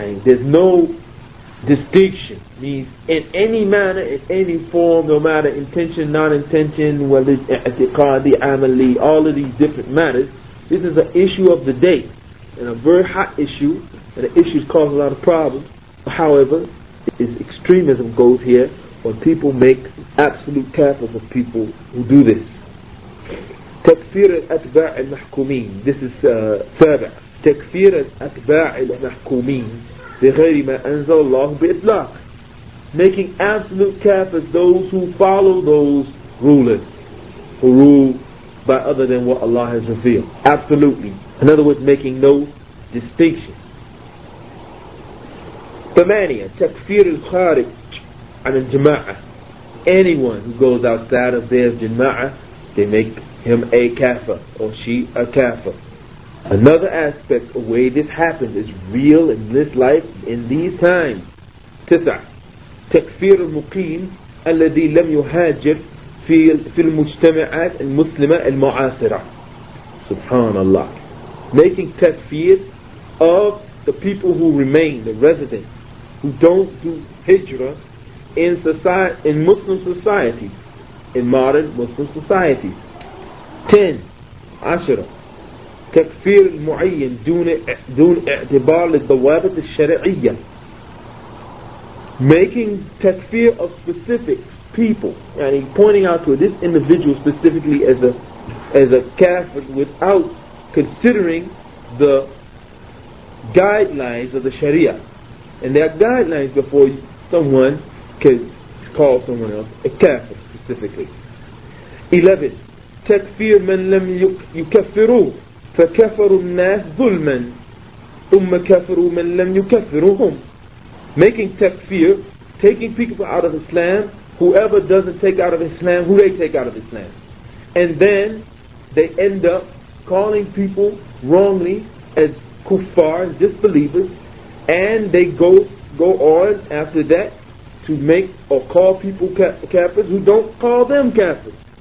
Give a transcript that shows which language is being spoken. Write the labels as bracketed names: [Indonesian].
[English] There's no distinction. Means in any manner, in any form, no matter intention, non-intention, whether it's i'tiqadi, amali, all of these different matters, this is an issue of the day. And a very hot issue, and the issues cause a lot of problems. However, it's extremism goes here, when people make absolute kafirs of people who do this. [Arabic] تكفير الأتباع المحكومين. [English] This is [Arabic] سابع. تكفير الأتباع المحكومين بغير ما أنزل الله بإطلاق. [English] Making absolute kafirs those who follow those rulers who rule by other than what Allah has revealed. Absolutely. In other words, making no distinction. [Arabic] ثمانية. تكفير الخارج عن الجماعة. [English] Anyone who goes outside of their jama'ah, they make him a kafir or she a kafir. Another aspect of the way this happens is real in this life, in these times. [Arabic] تسع. تكفير المقيم الذي لم يهاجر في المجتمعات المسلمة المعاصرة. Subhanallah. [English] Making takfir of the people who remain, the residents, who don't do hijrah in society, in Muslim society, in modern Muslim society. [Arabic] 10. عشرة. تكفير المعين دون اعتبار للضوابط الشرعية. [English] Making takfir of specific people, and pointing out to this individual specifically as a kafir without considering the guidelines of the Sharia. And there are guidelines before someone can call someone else a kafir specifically. 11. [Arabic] تكفير من لم يكفروا فكفروا الناس ظلما. أُمَّ كَفَرُوا مَنْ لَمْ يُكَفِرُهُمْ. [English] Making takfir, taking people out of Islam, whoever doesn't take out of Islam, who they take out of Islam. And then they end up calling people wrongly as kuffar, disbelievers, and they go on after that to make or call people kafirs who don't call them kafirs.